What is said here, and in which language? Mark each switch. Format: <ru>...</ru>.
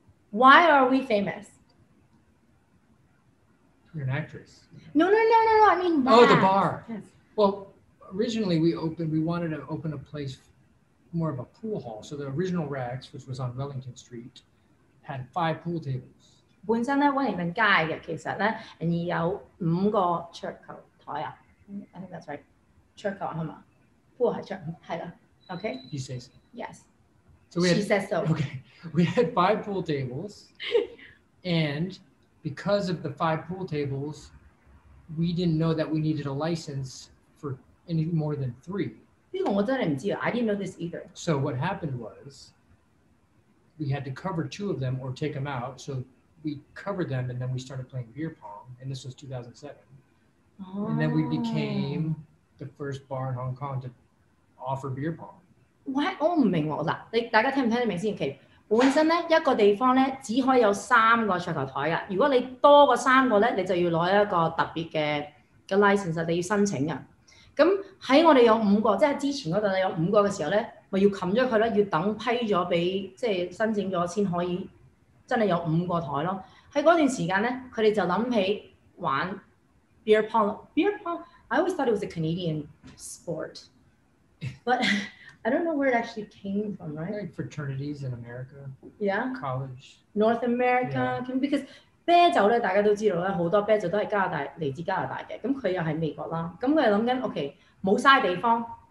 <en>Why are we famous? You're an actress. No. I mean, bar. Oh, the bar. Yes. Well, originally we wanted to open a place more of a pool hall. So the original Racks, which was on Wellington Street, had five pool tables.</en> <yue>本身咧，威靈頓街嘅其實咧，而有五個桌球台啊。 I think that's right. 桌球係嘛？Pool 係桌，係啦。Okay.</yue> <en>He says. So. Yes. So we had, she says so. Okay. We had five pool tables, and because of the five pool tables, we didn't know that we needed a license for any more than three. I didn't know this either. So what happened was we had to cover two of them or take them out. So we covered them and then we started playing beer pong. And this was 2007. Oh. And then we became the first bar in Hong Kong to offer beer pong. What? Oh, I don't understand. Like, 大家聽唔聽得明先? Okay.</en> <yue>本身咧一個地方咧只可以有三個桌球台噶，如果你多過三個咧，你就要攞一個特別嘅 license， 你要申請噶。咁喺我哋有五個，即係之前嗰度有五個嘅時候咧，咪要冚咗佢咧，要等批咗俾即係申請咗先可以真係有五個台咯。喺嗰段時間咧，佢哋就諗起玩 beer pong。</yue> <en>beer pong， I always thought it was a Canadian sport， but I don't know where it actually came from, right? Like fraternities in America. Yeah. College. North America. Yeah.</en> <yue>Because 啤酒咧，大家都知道咧，好多啤酒都係加拿大嚟自加拿大嘅。咁佢又喺美國啦。咁佢諗緊 ，OK， 冇曬地方。</yue>